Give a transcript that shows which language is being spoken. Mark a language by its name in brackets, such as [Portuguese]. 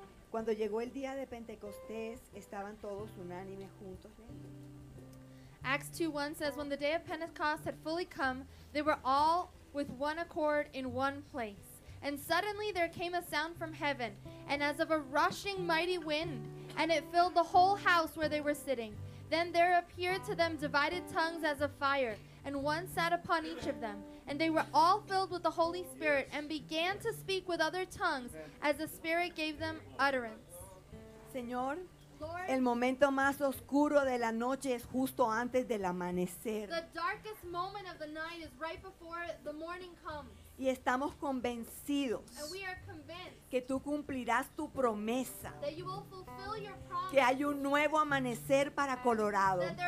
[Spanish] Cuando llegó el día de Pentecostés, estaban todos unánimes juntos. [English] Acts 2:1 says, "When the day of Pentecost had fully come, they were all with one accord in one place. And suddenly there came a sound from heaven, and as of a rushing mighty wind, and it filled the whole house where they were sitting. Then there appeared to them divided tongues as of fire, and one sat upon each of them. And they were all filled with the Holy Spirit and began to speak with other tongues as the Spirit gave them utterance." [Spanish] Señor, Lord, el momento más oscuro de la noche es justo antes del amanecer. [English] The darkest moment of the night is right before the morning comes. [Spanish] Y estamos convencidos que tú cumplirás tu promesa, que hay un nuevo amanecer para Colorado.